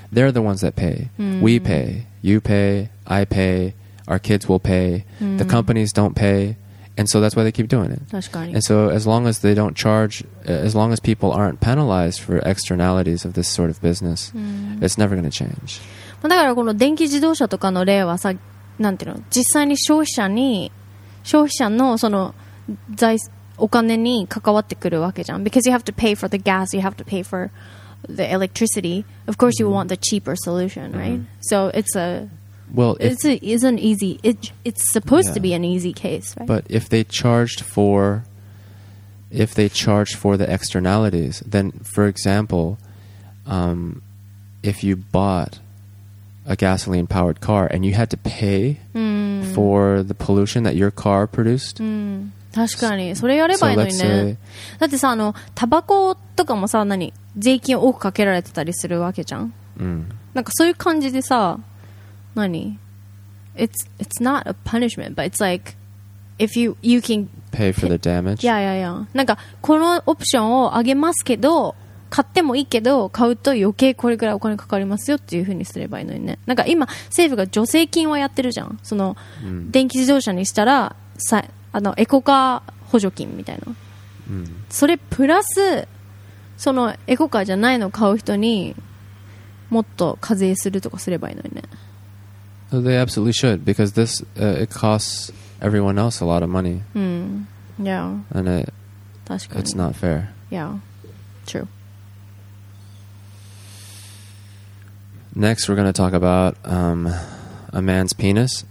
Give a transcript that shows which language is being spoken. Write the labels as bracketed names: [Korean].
[English] They're the ones that pay. We pay. You pay. I pay. Our kids will pay. The companies don't pay. And so that's why they keep doing it. And so as long as they don't charge, as long as people aren't penalized for externalities of this sort of business, it's never going to change. [Japanese] まあだからこの電気自動車とかの例はさ、なんていうの、実際に消費者のその財、お金に関わってくるわけじゃん。 [English] Because you have to pay for the gas, you have to pay for the electricity. Of course, you want the cheaper solution, right? So it's a... Well, it's supposed to be an easy case, right? But if they charged for the externalities, then, for example, if you bought a gasoline-powered car and you had to pay for the pollution that your car produced... [Japanese] 確かに。それやればいいのにね。だってさ、あの、タバコとかもさ、何、税金多くかけられてたりするわけじゃん。なんかそういう感じでさ、何? [English] It's not a punishment, but it's like if you can pay for the damage. Yeah, yeah, yeah. [Japanese] なんかこのオプションをあげますけど、買ってもいいけど、買うと余計これくらいお金かかりますよっていう風にすればいいのにね。なんか今政府が助成金はやってるじゃん。その電気自動車にしたらさ、あのエコカー補助金みたいな。それプラスそのエコカーじゃないのを買う人にもっと課税するとかすればいいのにね。 [English] So they absolutely should, because this it costs everyone else a lot of money. Yeah. And it's not fair. Yeah. True. Next, we're going to talk about a man's penis.